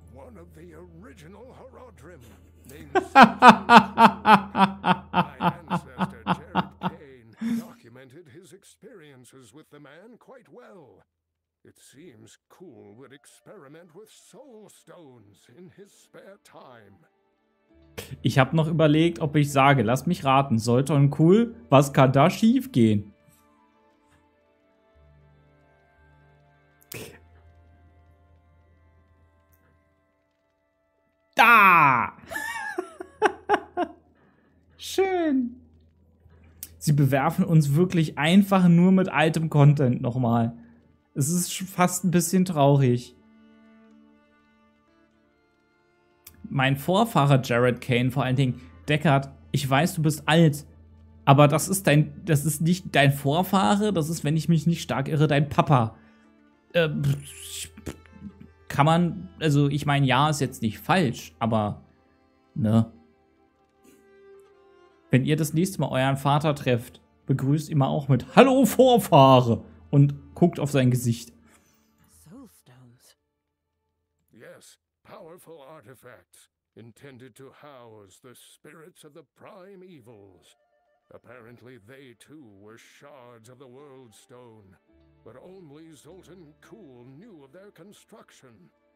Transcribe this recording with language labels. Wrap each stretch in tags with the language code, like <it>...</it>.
<en>One of the original Herodrim, named Sir Jared. Documented his experiences with the man quite well. It seems Cool would experiment with soul stones in his spare time.</en> <de>Ich habe noch überlegt, ob ich sage, lass mich raten, sollte ein Cool, was kann da schief gehen? Da! Schön. Sie bewerfen uns wirklich einfach nur mit altem Content nochmal. Es ist fast ein bisschen traurig. Mein Vorfahre Jared Kane, vor allen Dingen Deckard, ich weiß, du bist alt, aber das ist nicht dein Vorfahre, das ist, wenn ich mich nicht stark irre, dein Papa. Kann man, also ich meine, ja, ist jetzt nicht falsch, aber ne. Wenn ihr das nächste Mal euren Vater trefft, begrüßt ihn mal auch mit Hallo Vorfahre und guckt auf sein Gesicht.</de> <en>Soulstones. Yes, powerful artifacts intended to house the spirits of the prime evils. Apparently they too were shards of the World Stone, but only Zoltan Cool knew of their construction.</en>